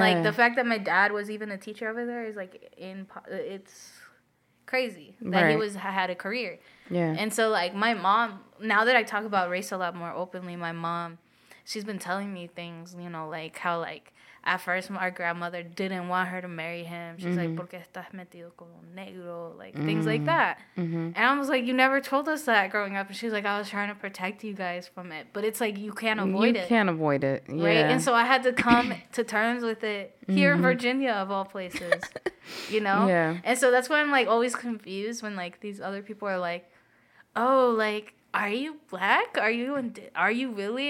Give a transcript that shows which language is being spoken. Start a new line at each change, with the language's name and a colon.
English: like, the fact that my dad was even a teacher over there is, like, it's crazy that right. he had a career. Yeah. And so, like, my mom, now that I talk about race a lot more openly, my mom, she's been telling me things, you know, like how, like, at first our grandmother didn't want her to marry him. She's mm-hmm. like,
Spanish: ¿por qué estás metido con un negro?
English: Like, mm-hmm. things like that. Mm-hmm. And I was like, you never told us that growing up. And she's like, I was trying to protect you guys from it. But it's like, you can't avoid you it. You can't avoid it. Yeah. Right? And so I had to come to terms with it here mm-hmm. in Virginia, of all places, you know? Yeah. And so that's why I'm, like, always confused when, like, these other people are like, oh, like, are you black? Are you really?